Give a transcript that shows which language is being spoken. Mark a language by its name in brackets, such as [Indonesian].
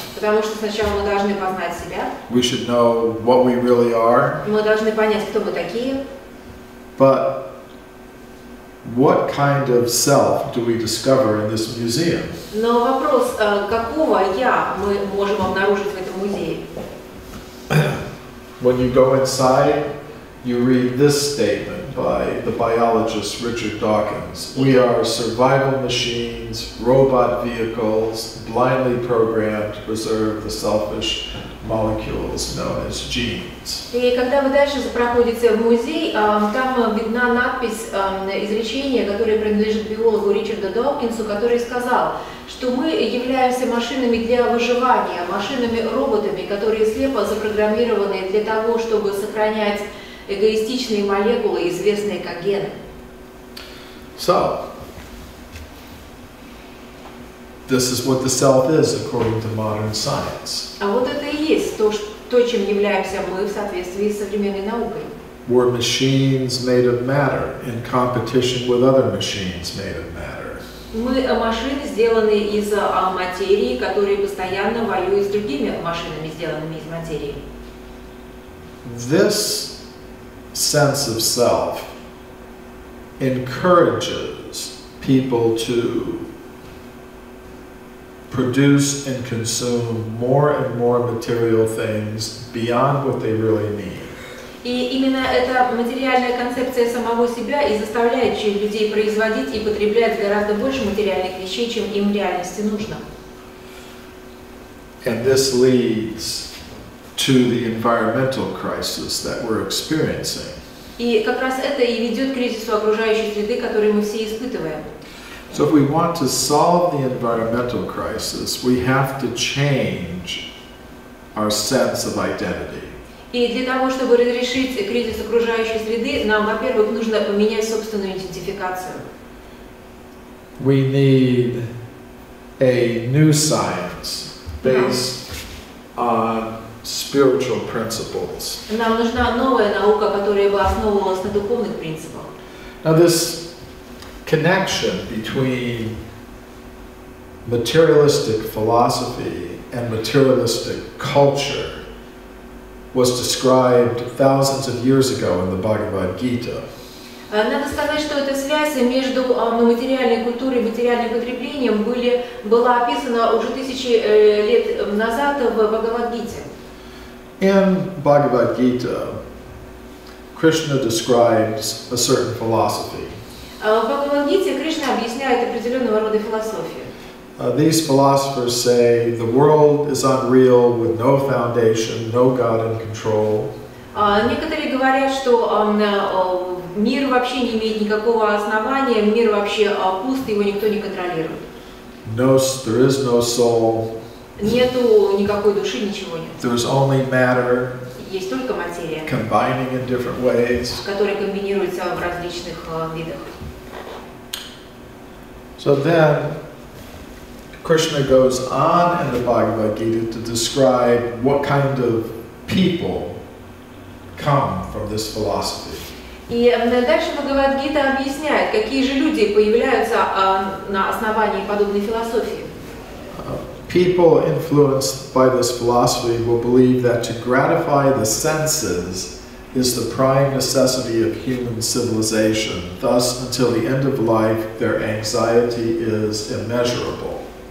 [Russian] Потому что сначала мы должны познать себя. [English] We should know what we really are. [Russian] Мы должны понять, кто мы такие. [English] But what kind of self do we discover in this museum? [Russian] Но вопрос, какого я мы можем обнаружить в этом музее? [English] When you go inside, you read this statement by the biologist Richard Dawkins. We are survival machines, robot vehicles, blindly programmed to preserve the selfish molecules known as genes. [Russian] И когда вы дальше проходите в музей, там видна надпись, изречение, которое принадлежит биологу Ричарду Докинсу, который сказал, что мы являемся машинами для выживания, машинами-роботами, которые слепо запрограммированы для того, чтобы сохранять эгоистичные молекулы, известные как гены. [English] So, this is what the self is, according to modern science. [Russian] А вот это и есть то, чем являемся мы в соответствии с современной наукой. [English] We're machines made of matter in competition with other machines made of matter. [Russian] Мы машины, сделанные из материи, которые постоянно воюют с другими машинами, сделанными из материи. [English] This sense of self encourages people to produce and consume more and more material things beyond what they really need. [Russian] И именно эта материальная концепция самого себя и заставляет людей производить и потреблять гораздо больше материальных вещей, чем им в реальности нужно. [English] And this leads to the environmental crisis that we're experiencing. [Russian] И как раз это и ведет к кризису окружающей среды, который мы все испытываем. [English] So if we want to solve the environmental crisis, we have to change our sense of identity. [Russian] И для того, чтобы разрешить кризис окружающей среды, нам, во-первых, нужно поменять собственную идентификацию. [English] We need a new science based on spiritual principles. [Russian] Нам нужна новая наука, которая бы основывалась на духовных принципах. [English] Now this connection between materialistic philosophy and materialistic culture was described thousands of years ago in the Bhagavad Gita. [Russian] Надо сказать, что эта связь между материальной культурой и материальным потреблением была описана уже тысячи лет назад в Бхагавад-гите. [English] In Bhagavad-gita, Krishna describes a certain philosophy. [Russian] В Бхагавад-гите Кришна объясняет определенного рода философию. [English] These philosophers say the world is unreal with no foundation, no God in control. [Russian] Некоторые говорят, что мир вообще не имеет никакого основания, мир вообще пуст, его никто не контролирует. [English] No, there is no soul. [Russian] Нету никакой души, ничего нет. [English] There is only matter. [Russian] Есть только материя. [English] Combining in different ways. [Russian] Которая комбинируется в различных видах. [English] So then Krishna goes on in the Bhagavad Gita to describe what kind of people come from this philosophy. [Russian] И дальше Бхагавад-гита объясняет, какие же люди появляются на основании подобной философии. [English] People influenced by this philosophy will believe that to gratify the senses is the prime necessity of human civilization. Thus, until the end of life, their anxiety is immeasurable.